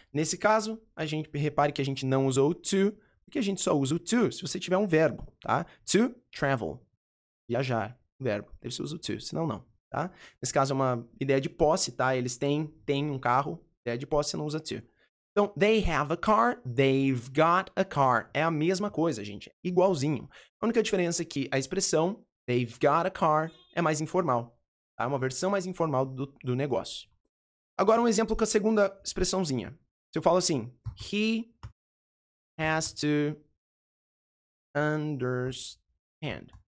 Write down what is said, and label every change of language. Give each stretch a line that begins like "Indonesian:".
Portuguese: Nesse caso, a gente repare que a gente não usou o to, porque a gente só usa o to se você tiver um verbo, tá? To travel, viajar, verbo. Deve ser usa o to, senão não, tá? Nesse caso, é uma ideia de posse, tá? Eles têm um carro, ideia de posse, você não usa to.
English: Então, they have a car, they've got a car.
Portuguese: É a mesma coisa, gente, igualzinho. A única diferença é que a expressão they've got a car é mais informal, tá? É uma versão mais informal do negócio. Agora, um exemplo com a segunda expressãozinha. Se eu falo assim,
English: he has to understand.